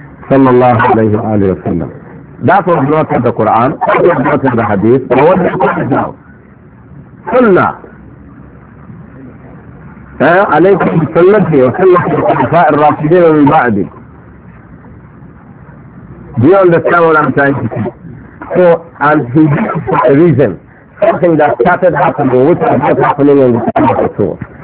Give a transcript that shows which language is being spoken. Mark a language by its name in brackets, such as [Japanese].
[English] Sallallahu alayhi wa sallam. That was not in the Quran, that was not in the Hadith, but what is it now? Sunnah. [Arabic] عليكم بسنتي وسنه الخلفاء الراشدين من بعدي. [English] Do you understand what I'm trying to say? So, and he did it for a reason. Something that started happening, which was not happening in the time of Rasul.